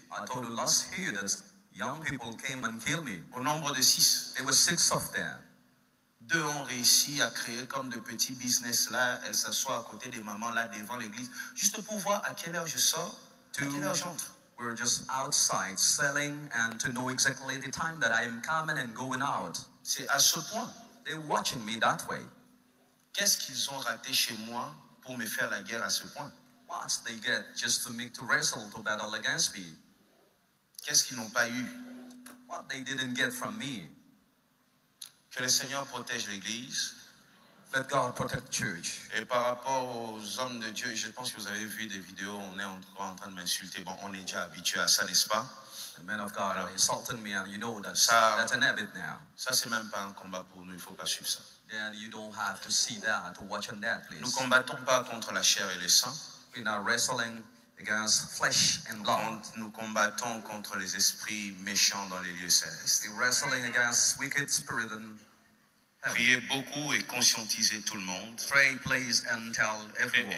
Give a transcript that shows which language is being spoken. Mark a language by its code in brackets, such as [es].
[en] I told you last year that young people came and killed me. [fr] Au nombre de six. [en] There were six of them. [fr] Deux ont réussi à créer comme de petits business là, elles s'assoient à côté des mamans là devant l'église, juste pour voir à quelle heure je sors, [en] to [fr] à quelle heure j'entre. [en] We're just outside selling and to know exactly the time that I'm coming and going out. [fr] C'est à ce point. [en] They're watching me that way. [fr] Qu'est-ce qu'ils ont raté chez moi pour me faire la guerre à ce point? [en] What they get just to make to wrestle to battle against me? [fr] Qu'est-ce qu'ils n'ont pas eu? [en] What they didn't get from me? [fr] Que le Seigneur protège l'Église. [en] Let God protect the church. [fr] Et par rapport aux hommes de Dieu, je pense que vous avez vu des vidéos, on est en train de m'insulter. Bon, on est déjà habitué à ça, n'est-ce pas? [en] The men of God are insulting me, and you know that's an habit now. [fr] Ça, c'est même pas un combat pour nous, il ne faut pas suivre ça. [en] Then you don't have to see that, to watch on that, please. [fr] Nous ne combattons pas contre la chair et le sang. [en] We're not wrestling against flesh and blood. [fr] Nous combattons contre les esprits méchants dans les lieux célestes. [en] We're wrestling against wicked spirits and [fr] priez beaucoup et conscientisez tout le monde. [en] Pray, please, and tell everyone.